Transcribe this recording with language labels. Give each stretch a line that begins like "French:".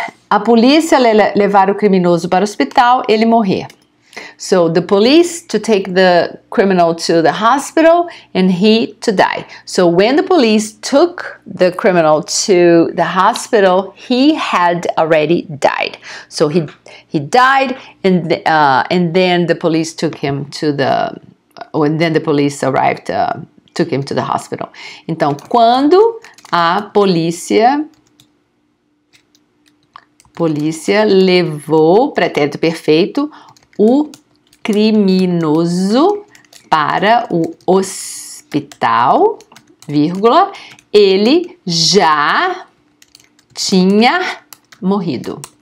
Portuguese: A polícia levar o criminoso para o hospital, ele morrer.
English: So, the police to take the criminal to the hospital and he to die. So, when the police took the criminal to the hospital, he had already died. So, he died and then the police took him to the... And then the police arrived, took him to the hospital.
Portuguese: Então, quando a polícia levou, pretérito perfeito, o criminoso para o hospital, vírgula, ele já tinha morrido.